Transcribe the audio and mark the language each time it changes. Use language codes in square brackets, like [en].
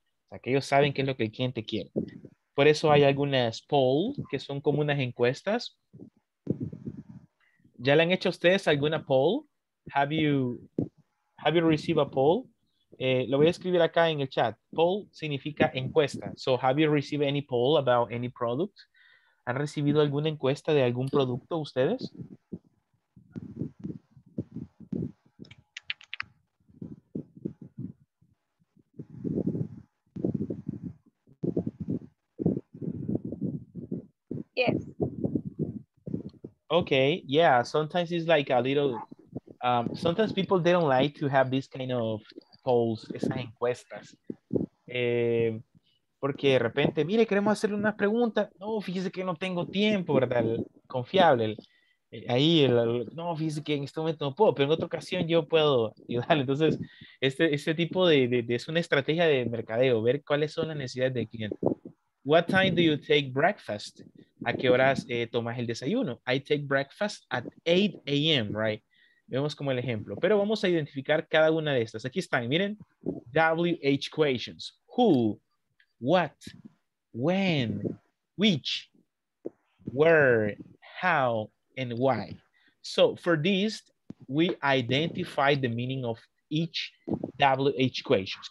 [es] O sea, que ellos saben qué es lo que el cliente quiere. Por eso hay algunas poll, que son como unas encuestas. ¿Ya le han hecho ustedes alguna poll? [en] Have you received a poll? [es] Lo voy a escribir acá en el chat. Poll significa encuesta. [en] So, have you received any poll about any product? [es] ¿Han recibido alguna encuesta de algún producto ustedes? [en] Yes. Okay, yeah, sometimes it's like a little, sometimes people, they don't like to have this kind of polls, [es] esas encuestas. Porque de repente, mire, queremos hacerle una pregunta. No, fíjese que no tengo tiempo, ¿verdad? No, fíjese que en este momento no puedo, pero en otra ocasión yo puedo ayudarle. Entonces, este tipo de es una estrategia de mercadeo, ver cuáles son las necesidades del cliente. [en] What time do you take breakfast? [es] ¿A qué horas tomas el desayuno? [en] I take breakfast at 8 a.m., right? [es] Vemos como el ejemplo. Pero vamos a identificar cada una de estas. Aquí están, miren. WH questions. [en] Who, what, when, which, where, how, and why. So, for this, we identify the meaning of each WH questions.